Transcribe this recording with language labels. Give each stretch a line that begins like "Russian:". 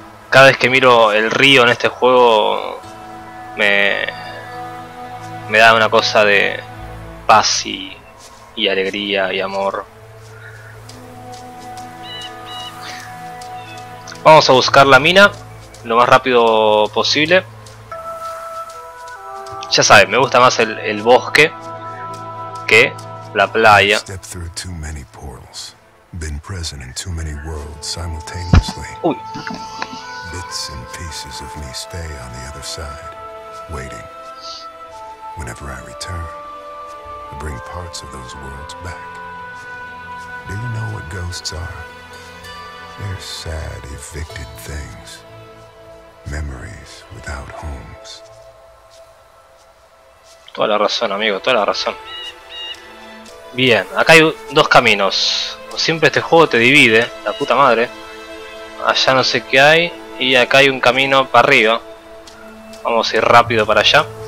Spanish: Cada vez que miro el río en este juego me da una cosa de paz y alegría y amor. Vamos a buscar la mina lo más rápido posible. Ya sabes, me gusta más el bosque que la playa.
English: Step through too many portals, been present in too many worlds simultaneously. Uy. Bits and pieces of me stay on the other side, waiting. Whenever I return, I bring parts of those worlds back. Do you know what ghosts are? They're sad, evicted things. Memories without homes.
Spanish: Toda la razón, amigo, toda la razón. Bien, acá hay dos caminos. Siempre este juego te divide, la puta madre. Allá no sé qué hay. Y acá hay un camino para arriba. Vamos a ir rápido para allá.